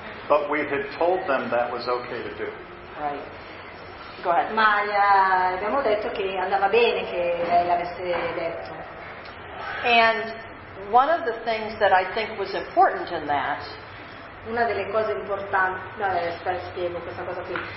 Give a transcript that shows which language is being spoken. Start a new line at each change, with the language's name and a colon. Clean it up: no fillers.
English: But we had told them that was okay to do. Right. Go ahead.
Italian: Ma abbiamo detto che andava bene che lei l'avesse detto.
English: And one of the things that I think was important in that.
Italian: Una delle cose importanti. No, aspetta, spiego questa cosa qui.